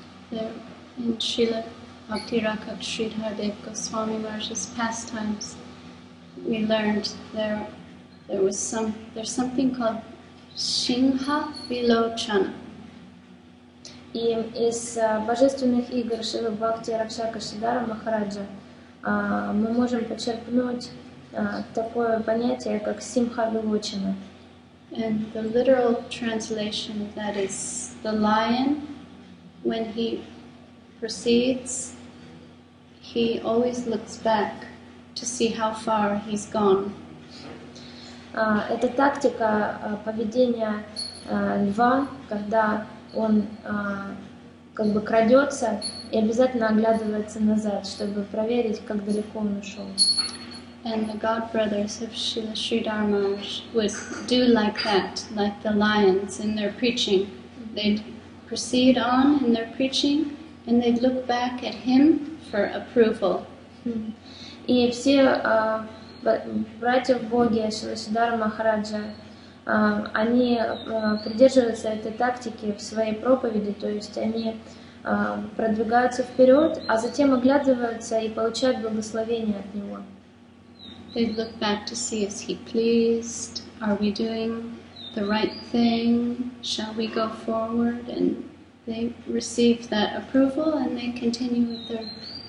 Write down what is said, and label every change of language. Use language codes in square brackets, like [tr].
[en] There in Srila Bhakti Rakhav Sridhar Dev Goswami Maharaj's pastimes, we learned there's something called Shingha Vilochana. [ru] И из божественных игр Шрила Бхакти Ракшака Шридхара Махараджа мы можем почерпнуть такое понятие, как симха-вивучана. [en] And the literal translation of that is the lion, when he proceeds, he always looks back to see how far he's gone. [ru] Это тактика поведения льва, когда он как бы крадется и обязательно оглядывается назад, чтобы проверить, как далеко он ушел. [en] And the god brothers of Srila Sridhar Maharaj would do like that, like the lions in their preaching. They'd proceed on in their preaching, and they'd look back at him for approval. [ru] И все братья в Боге Шрила Сиддхарта Махараджа, они придерживаются этой тактики в своей проповеди, то есть они продвигаются вперед, а затем оглядываются и получают благословение от него. [en] They look back to see if he pleased, are we doing the right thing, shall we go forward, and they receive that approval and they continue with their preaching.